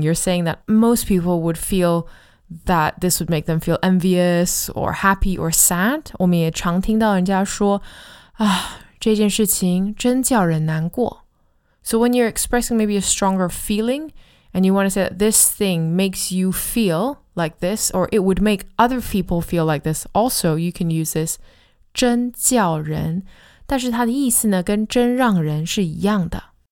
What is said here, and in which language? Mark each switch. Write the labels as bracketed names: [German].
[English] You're saying that most people would feel that this would make them feel envious or happy or sad. [Chinese] 我们也常听到人家说, 啊, 这件事情真叫人难过. [English] So when you're expressing maybe a stronger feeling, and you want to say that this thing makes you feel like this, or it would make other people feel like this, also you can use this 真叫人, [Chinese] 但是它的意思呢, 跟真让人是一样的.